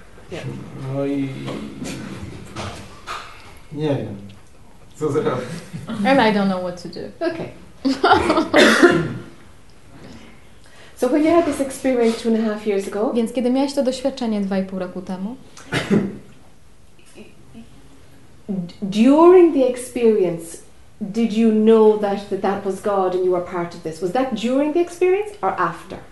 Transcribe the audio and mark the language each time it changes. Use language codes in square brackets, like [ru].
[en] Yeah. [pl] No i nie wiem, co zrobić. [en] And I don't know what to do. Okay. So when you had this experience 2.5 years ago, [pl] więc kiedy miałeś to doświadczenie 2.5 roku temu, [en] during the experience, did you know that was God and you were part of this? Was that during the experience or after?